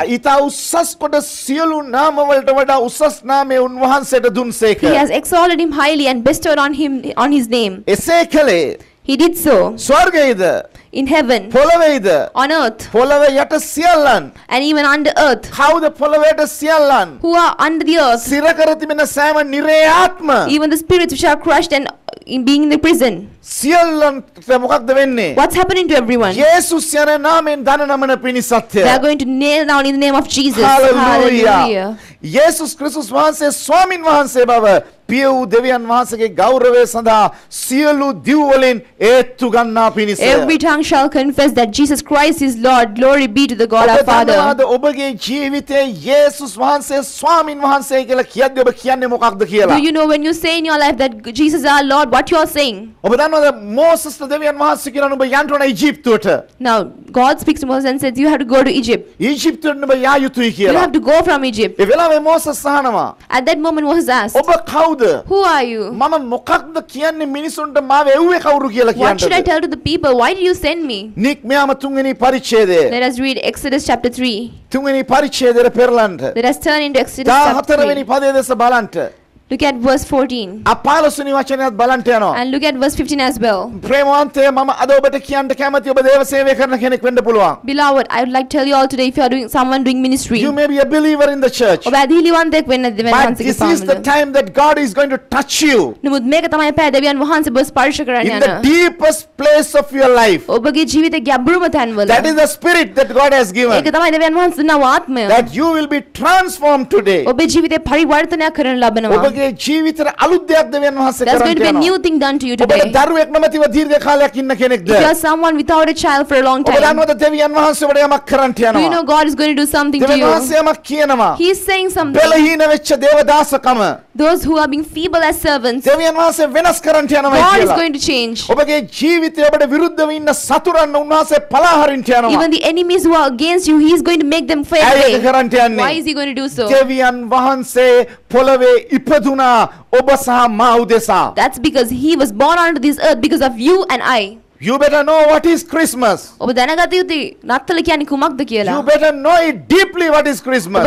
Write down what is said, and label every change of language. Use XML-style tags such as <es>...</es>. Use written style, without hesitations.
<si>ඊට උසස් කොට සියලු නාම වලට වඩා උසස් නාමයේ උන්වහන්සේට දුන්සේක.</si> <en>He has exalted him highly and bestowed on him on his name.</en> <si>එසේ කළේ.</si> <en>He did so.</en> <si>ස්වර්ගයේද?</si> <en>In heaven.</en> <si>පොළවේද?</si> <en>On earth.</en> <si>පොළවේ යට සියල්ලන්.</si> <en>And even under earth. How the</en> <si>පොළවේද සියල්ලන්.</si> <en>Who are under the earth.</en> <si>සිර කර තිබෙන සෑම නිරේ ආත්ම.</si> <en>Even the spirits which are crushed and in being in the prison.</en> <si>සියල්ලන් මොකක්ද වෙන්නේ?</si> <en>What's happening to everyone?</en> <si>යේසුස් යන නාමයෙන් දන නමන පිණිසත්ය.</si> <en>They are going to nail down in the name of Jesus. Hallelujah.</en> <si>යේසුස් ක්‍රිස්තුස් වහන්සේ ස්වාමින් වහන්සේ බව පියු දෙවියන් වහන්සේගේ ගෞරවය සඳහා සියලු දිව් වලින් ඒත්තු ගන්නා පිණිස.</si> <en>Every tongue shall confess that Jesus Christ is Lord. Glory be to the God our Father.</en> <si>ඔබ දන්නවද ඔබගේ ජීවිතයේ යේසුස් වහන්සේ ස්වාමින් වහන්සේ කියලා කියද්දී ඔබ කියන්නේ මොකක්ද කියලා?</si> <en>Do you know when you say in your life that Jesus is our Lord, what you are saying?</en> <si>ඔබ දන්නවද මෝසස් දෙවියන් වහන්සේ කියලා ඔබ යන්න ඕන ඊජිප්තුවට?</si> <en>Now God speaks to Moses and says you have to go to Egypt.</en> <si>ඊජිප්තුවට ඔබ යා යුතුයි කියලා.</si> <en>You have to go from Egypt.</en> <si>ඒ වෙලාවේ මෝසස් අහනවා.</si> <en>At that moment Moses asked.</en> <si>ඔබ කවුද?</si> <en>Who are you?</en> <si>මම මොකක්ද කියන්නේ මිනිසුන්ට මාව එව්වේ කවුරු කියලා කියන්නද?</si> <en>What should I tell to the people? Why did you send me?</en> <si>නික්මයාම තුන්වෙනි පරිච්ඡේදය.</si> <en>Let us read Exodus chapter 3.</en> <si>තුන්වෙනි පරිච්ඡේදයට පෙරලන්න.</si> <en>Let us turn into Exodus chapter 3.</en> <si>14වෙනි පදයේ දැස බලන්න.</si> <en>Look at verse 14.</en> <si>අපාලසුනි වචනයත් බලන්න යනවා.</si> <en>And look at verse 15 as well.</en> <si>ප්‍රේමවන්තය මම අද ඔබට කියන්න කැමති ඔබ දේව සේවය කරන කෙනෙක් වෙන්න පුළුවන්.</si> <en>Beloved, I would like to tell you all today if you are doing someone doing ministry. You may be a believer in the church.</en> <si>ඔබ ඇදහිලිවන්තෙක් වෙන්න දෙවන් වහන්සේගේ පාමුල.</si> <en>But this is the time that God is going to touch you.</en> <si>නමුත් මේක තමයි පැය දෙවියන් වහන්සේ ඔබ ස්පර්ශ කරන්න යන.</si> <en>In the deepest place of your life.</en> <si>ඔබගේ ජීවිතයේ ගැඹුරම තැන්වල.</si> <en>That is the spirit that God has given.</en> <si>ඒක තමයි දෙවියන් වහන්සේ දුන්නා ආත්මය.</si> <en>That you will be transformed today.</en> <si>ඔබේ ජීවිතේ පරිවර්තනයක් කරන්න ලබනවා. ඔබගේ ජීවිතේ අලුත් දෙයක් දෙවියන් වහන්සේ කරන්න යනවා.</si> <en>There's going to be a new thing done to you today.</en> <si>ඔබ දරුවෙක් නොමැතිව දීර්ඝ කාලයක් ඉන්න කෙනෙක්ද?</si> <en>You are someone without a child for a long time.</en> <si>ඔබ දන්නවද දෙවියන් වහන්සේ ඔබට යමක් කරන්න යනවා?</si> <en>Do you know God is going to do something to you?</en> <si>දෙවියන් වහන්සේ යමක් කියනවා.</si> <en>He is saying something.</en> <si>බලහීන වෙච්ච දේවදාසකම.</si> <en>Those who are being feeble as servants.</en> <si>දෙවියන් වහන්සේ වෙනස් කරන්න යනවා කියලා.</si> <en>God is going to change.</en> <si>ඔබගේ ජීවිතේ ඔබට විරුද්ධව ඉන්න සතුරන් උන්වහන්සේ පලාහරින්න යනවා.</si> <en>Even the enemies who are against you, he is going to make them fail.</en> <si>ඇයි ඒක කරන්න යන්නේ?</si> <en>Why is he going to do so?</en> <si>දෙවියන් වහන්සේ පොළවේ ඉපදුනා ඔබ සහ මා උදෙසා.</si> <en>That's because he was born onto this earth because of you and I. You better know what is Christmas.</en> <si>ඔබ දැනගත යුතුයි නත්තල කියන්නේ කුමක්ද කියලා.</si> <en>You better know it deeply what is Christmas.</en>